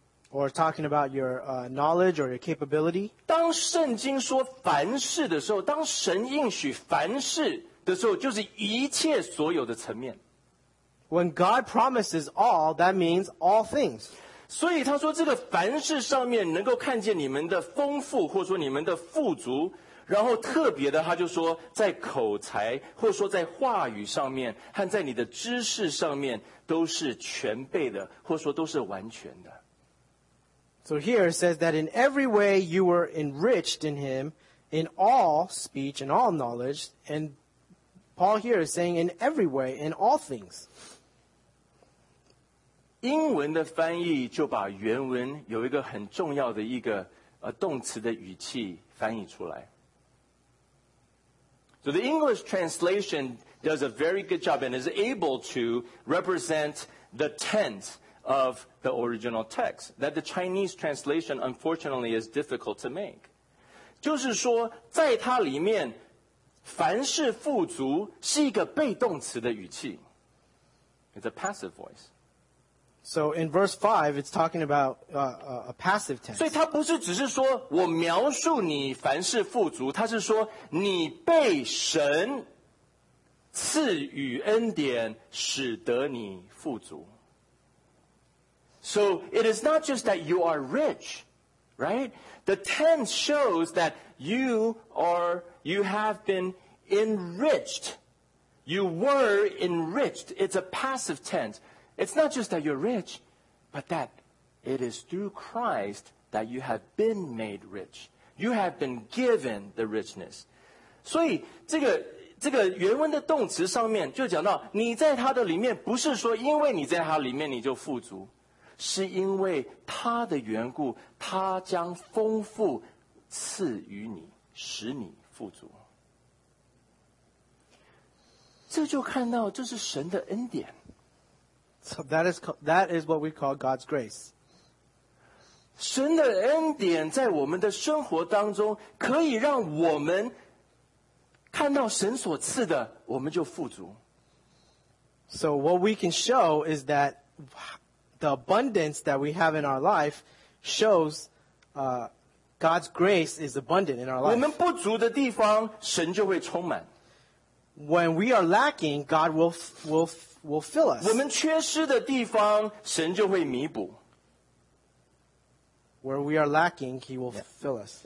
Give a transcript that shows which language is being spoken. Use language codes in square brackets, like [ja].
[en] Or talking about your knowledge or your capability. [zh] 当圣经说凡事的时候，当神应许凡事的时候，就是一切所有的层面。 [en] When God promises all, that means all things. [zh] 所以他说这个凡事上面能够看见你们的丰富，或者说你们的富足，然后特别的他就说在口才，或者说在话语上面，和在你的知识上面，都是全备的，或者说都是完全的。 [en] So here it says that in every way you were enriched in him, in all speech and all knowledge, and Paul here is saying in every way, in all things. [zh] 英文的翻译就把原文有一个很重要的一个动词的语气翻译出来。 [en] So the English translation does a very good job and is able to represent the tense of the original text that the Chinese translation unfortunately is difficult to make. [zh] 就是说在它里面凡事富足是一个被动词的语气。 [en] It's a passive voice. So in verse 5, it's talking about a passive tense. [zh] 所以它不是只是说我描述你凡事富足，它是说你被神赐予恩典使得你富足。 [en] So it is not just that you are rich, right? The tense shows that you have been enriched. You were enriched. It's a passive tense. It's not just that you're rich, but that it is through Christ that you have been made rich. You have been given the richness. [zh] 所以这个原文的动词上面就讲到你在他的里面不是说因为你在他里面你就富足，是因为他的缘故他将丰富赐予你使你富足。这就看到这是神的恩典。 [en] So that is what we call God's grace. [zh] 神的恩典在我们的生活当中可以让我们看到神所赐的我们就富足。 [en] So what we can show is that the abundance that we have in our life shows God's grace is abundant in our life. [zh] 我们不足的地方神就会充满。 [en] When we are lacking, God will fill us. [zh] 我们缺失的地方神就会弥补。 [en] Where we are lacking, he will fill us.